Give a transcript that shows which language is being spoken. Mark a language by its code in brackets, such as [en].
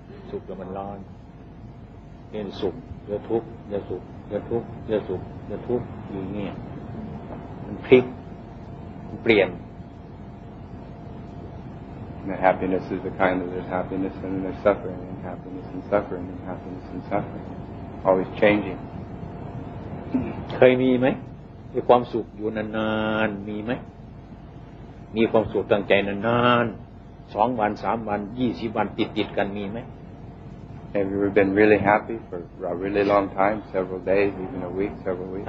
[th] สุขแต่มันร้อนเนี่ยสุขเนี่ยทุกข์เนี่ยสุขเนี่ยทุกข์เนี่ยสุขเนี่ยทุกข์อยู่เงี้ยมันพลิกมันเปลี่ยน [en] The happiness is the kind that there's happiness and there's suffering and happiness and suffering and happiness and suffering always changing [th] เคยมีไหมมีความสุขอยู่นานๆมีไหมมีความสุขตั้งใจนานๆสองวันสามวันยี่สิบวันติดๆกันมีไหม [en] Have you ever been really happy for a really long time, several days, even a week, several weeks?